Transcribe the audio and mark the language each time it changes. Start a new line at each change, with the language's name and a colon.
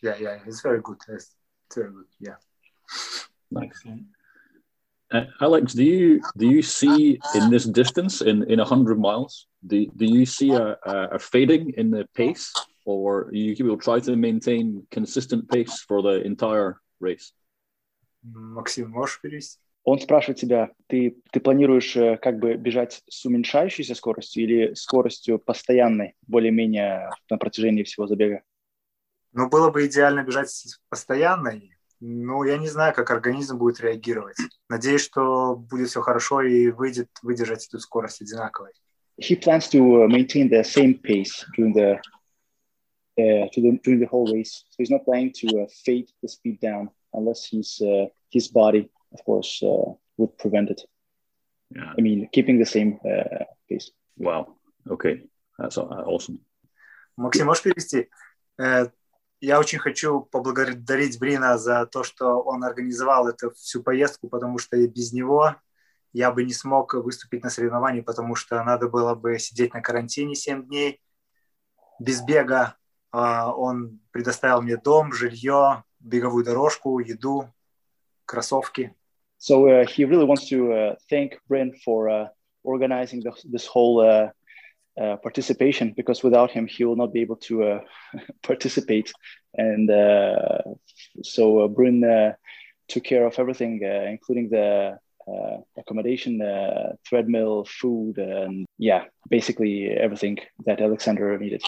English: Yeah, it's very good. It's very good, yeah. Excellent. Alex, do you see in this distance, in 100 miles, do you see a fading in the pace, or you will try to maintain consistent pace for the entire race?
Russian: Максим, можешь перевести? Он спрашивает тебя, ты планируешь как бы бежать с уменьшающейся скоростью или скоростью постоянной, более-менее на протяжении всего забега? Ну, было бы идеально бежать с постоянной, но я не знаю, как организм будет реагировать. Надеюсь, что будет все хорошо и выйдет выдержать эту скорость одинаковой.
English: He plans to maintain the same pace during the whole race. So he's not planning to fade the speed down. Unless his body, of course, would prevent it. Yeah. I mean, keeping the same pace. Wow. Okay. That's awesome.
Russian: Максим, можешь перевести? Я очень хочу поблагодарить Брина за то, что он организовал эту всю поездку, потому что без него я бы не смог выступить на соревновании, потому что надо было бы сидеть на карантине 7 дней без бега. Он предоставил мне дом, жилье, беговую дорожку, еду, кроссовки.
English: So he really wants to thank Bryn for organizing this whole participation, because without him he will not be able to participate. And so Bryn took care of everything, including the accommodation, treadmill, food, and yeah, basically everything that Alexander needed.